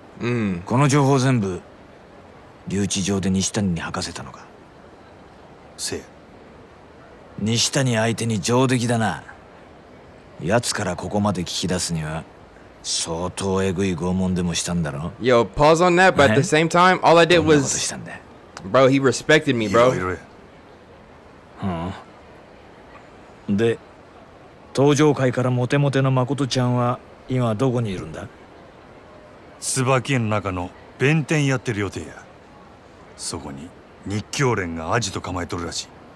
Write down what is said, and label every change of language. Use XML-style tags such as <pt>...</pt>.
<ja>うんこの情報全部留置場で西谷に吐かせたのかせや西谷相手に上出来だな奴からここまで聞き出すには相当エグい拷問でもしたんだろ</ja> <en>Yo, pause on that, but at the same time, all I did was</en> <ja>どんなことしたんだ</ja> <en>Bro, he respected me, bro</en> <ja>いろいろはあ、で、登場会からモテモテの誠ちゃんは今どこにいるんだ椿園の中の弁天やってる予定や。そこに日教連がアジト構えとるらしい。</ja>